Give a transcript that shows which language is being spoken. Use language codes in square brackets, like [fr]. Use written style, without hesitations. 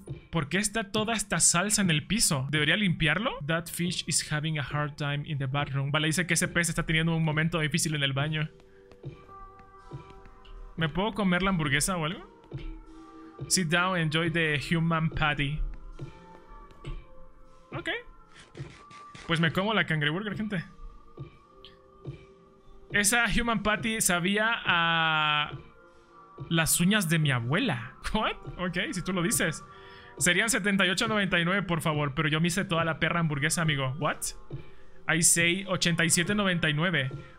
[es] ¿Por qué está toda esta salsa en el piso? ¿Debería limpiarlo? [en] That fish is having a hard time in the bathroom. [es] Vale, dice que ese pez está teniendo un momento difícil en el baño. ¿Me puedo comer la hamburguesa o algo? [en] Sit down, enjoy the human patty. Ok. [es] Pues me como la cangreburger, gente. Esa human patty sabía a... las uñas de mi abuela. ¿What? Ok, si tú lo dices. Serían 78.99, por favor. Pero yo me hice toda la perra hamburguesa, amigo. ¿What? [en] I say 87.99.